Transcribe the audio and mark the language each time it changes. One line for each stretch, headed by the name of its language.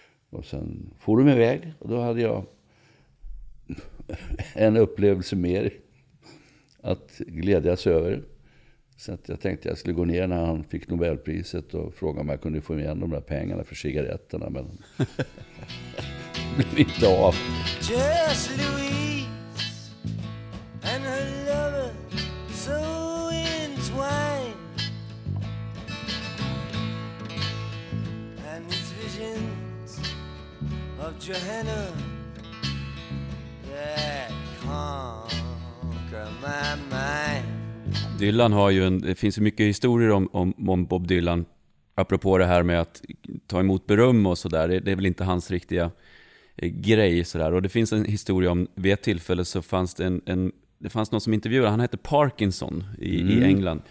Swedish: Och sen for de iväg och då hade jag en upplevelse mer att glädjas över. Så att jag tänkte att jag skulle gå ner när han fick Nobelpriset och fråga om jag kunde få igen de där pengarna för cigaretterna. Men det blev inte av.
English: Just Louise and her lover so entwined and his visions of Johanna that conquer my mind.
Swedish: Dylan har ju en, det finns ju mycket historier om Bob Dylan apropå det här med att ta emot beröm och sådär. Det är väl inte hans riktiga grej sådär. Och det finns en historia om, vid ett tillfälle så fanns det en det fanns någon som intervjuade, han hette Parkinson i England.